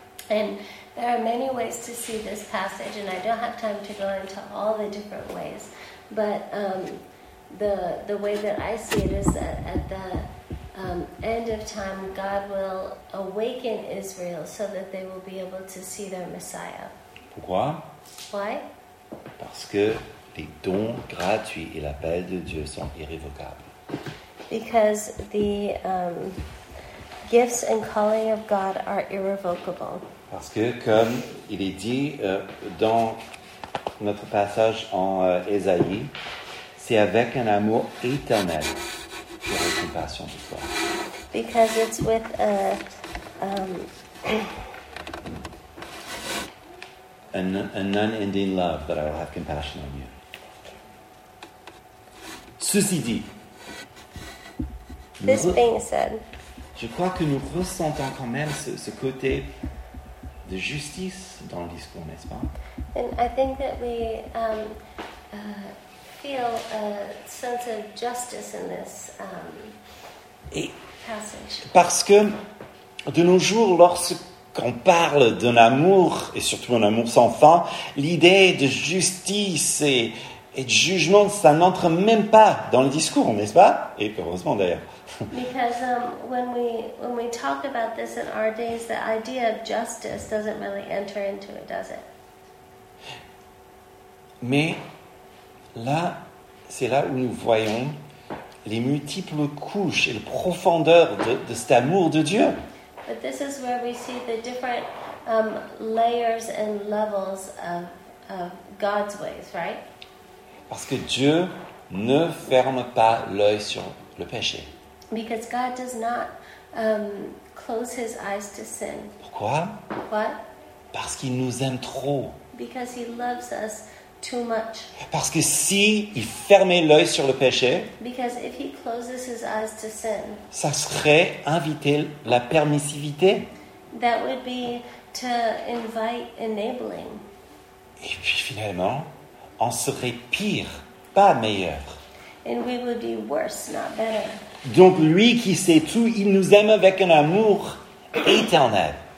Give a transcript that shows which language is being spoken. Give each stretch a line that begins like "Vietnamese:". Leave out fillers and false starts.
English: And there are many ways to see this passage, and I don't have time to go into all the different ways. But the way that I see it is that at the end of time, God will awaken Israel so that they will be able to see their Messiah.
French: Pourquoi?
English: Why?
French: Parce que les dons gratuits et l'appel de Dieu sont irrévocables.
English: Because the gifts and calling of God are irrevocable.
French: Parce que comme il est dit dans notre passage en Ésaïe, c'est avec un amour éternel que j'ai compassion de toi.
English: Because it's with a an unending love that I will have compassion on you.
French: Ceci dit.
English: This being said.
French: Je crois que nous ressentons quand même ce côté de justice dans le discours, n'est-ce pas?
English: And I think that we feel a sense of justice in this passage.
French: Parce que de nos jours, lorsqu'on parle d'un amour, et surtout un amour sans fin, l'idée de justice et de jugement, ça n'entre même pas dans le discours, n'est-ce pas? Et heureusement d'ailleurs.
English: Because when we talk about this in our days, the idea of justice doesn't really enter into it, does it?
French: Mais là, c'est là où nous voyons les multiples couches et la profondeur de cet amour de Dieu.
English: But this is where we see the different layers and levels of God's ways, right?
French: Parce que Dieu ne ferme pas l'œil sur le péché.
English: Because God does not close his eyes to sin.
French: Pourquoi?
English: What?
French: Parce qu'il nous aime trop.
English: Because he loves us too much.
French: Parce que si il fermait l'œil sur le péché,
English: because if he closes his eyes to sin,
French: ça serait inviter la permissivité.
English: That would be to invite enabling.
French: Et puis finalement, on serait pire, pas meilleur.
English: And we would be worse, not better.
French: Donc lui qui sait tout, il nous aime avec un amour éternel.